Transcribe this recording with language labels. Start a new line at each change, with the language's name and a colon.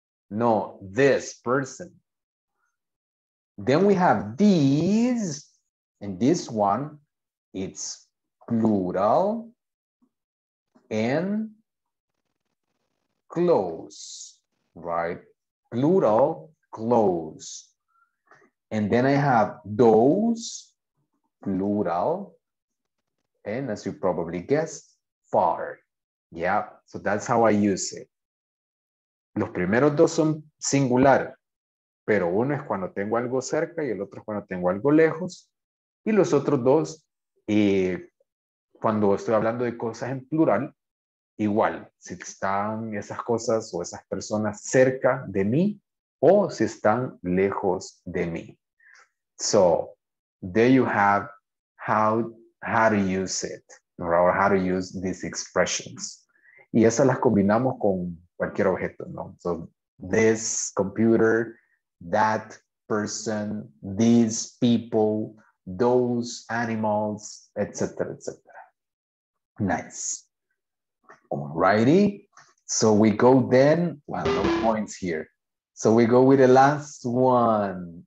English: No, this person. Then we have these, and this one, it's plural and close, right? Plural, close. And then I have those, plural, and as you probably guessed, far. Yeah, so that's how I use it.
Spanish: Los primeros dos son singular, pero uno es cuando tengo algo cerca y el otro es cuando tengo algo lejos. Y los otros dos, cuando estoy hablando de cosas en plural, igual, si están esas cosas o esas personas cerca de mí o si están lejos de mí.
English: So, there you have how to use it, or how to use these expressions.
Spanish: Y esas las combinamos con cualquier objeto, ¿no?
English: So, this computer, that person, these people, those animals, etc., etc. Nice. Alrighty. So we go then, well, no points here. So we go with the last one.